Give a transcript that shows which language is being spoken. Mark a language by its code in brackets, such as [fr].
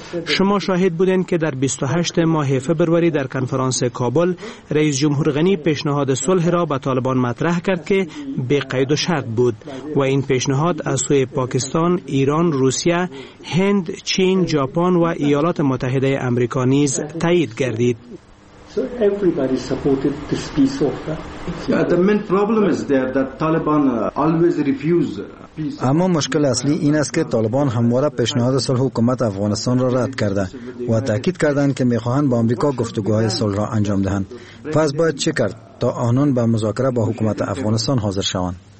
[fa] شما شاهد بودین که در 28 ماه فوریه در کنفرانس کابل رئیس جمهور غنی پیشنهاد صلح را به طالبان مطرح کرد که به قید و شرط بود و این پیشنهاد از سوی پاکستان، ایران، روسیه، هند، چین، ژاپن و ایالات متحده آمریکا نیز تایید گردید. [en] So everybody supported this peace offer. Yeah, the main problem is there that Taliban always refuse. [fa] اما مشکل اصلی این است که طالبان همواره پیشنهاد صلح حکومت افغانستان را رد کرده و تاکید کردند که میخواهند با آمریکا گفتگوهای صلح را انجام دهند. پس باید چه کرد تا آنان به مذاکره با حکومت افغانستان حاضر شوند؟